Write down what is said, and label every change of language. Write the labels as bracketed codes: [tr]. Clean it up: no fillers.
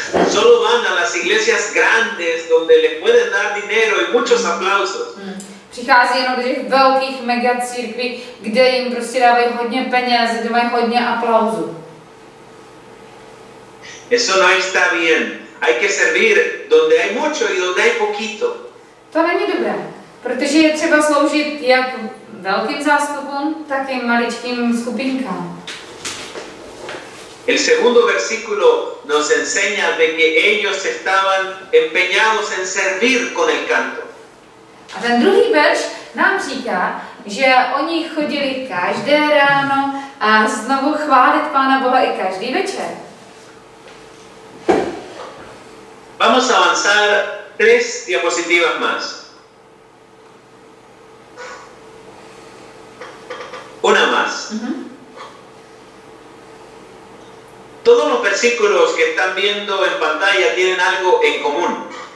[es] Solo van a las iglesias grandes donde les pueden dar dinero y muchos aplausos. [cs] Přichází jenom do těch velkých mega církví, kde jim prostě dávají hodně peněz, kde mají hodně aplauzu. [es] Eso no está bien. Hay que servir donde hay mucho y donde hay poquito. [cs] To není dobré, protože je třeba sloužit jak velkým zástupům, tak i maličkým skupinkám. [es] El segundo versículo nos enseña de que ellos estaban empeñados en servir con el canto. [cs] A ten druhý verš nám říká, že oni chodili každé ráno a znovu chválit Pána Boha i každý večer. [es] Vamos a avanzar tres diapositivas más. Una más. Todos los versículos que están viendo en pantalla tienen algo en común.